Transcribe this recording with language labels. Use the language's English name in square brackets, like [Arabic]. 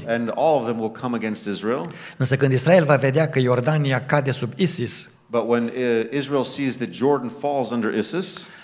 [English] And all of them will come against Israel. [Romanian] Însă când Israel va vedea că Iordania cade sub ISIS, [English] but when Israel sees that Jordan falls under ISIS,